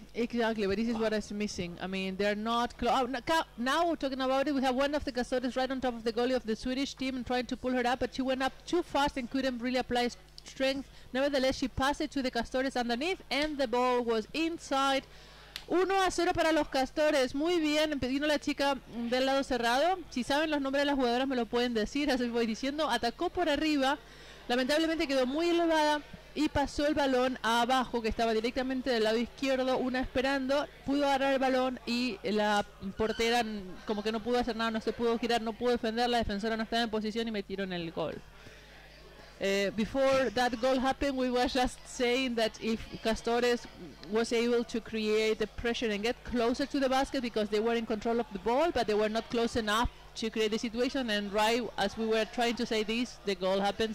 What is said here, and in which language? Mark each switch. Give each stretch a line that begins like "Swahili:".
English: Exactly, but this is what is missing. I mean, they're not now we're talking about it, we have one of the Castores right on top of the goalie of the Swedish team and trying to pull her up, but she went up too fast and couldn't really apply strength. Nevertheless, she passed it to the Castores underneath and the ball was inside.
Spanish: 1-0 para los Castores. Muy bien, pidiendo la chica del lado cerrado. Si saben los nombres de las jugadoras, me lo pueden decir, así voy diciendo. Atacó por arriba, lamentablemente quedó muy elevada y pasó el balón abajo, que estaba directamente del lado izquierdo. Una esperando, pudo agarrar el balón y la portera como que no pudo hacer nada, no se pudo girar, no pudo defender, la defensora no estaba en posición y metieron el gol.
English: Before that goal happened, we were just saying that if Castores was able to create the pressure and get closer to the basket, because they were in control of the ball, but they were not close enough to create the situation, and right as we were trying to say this, the goal happened.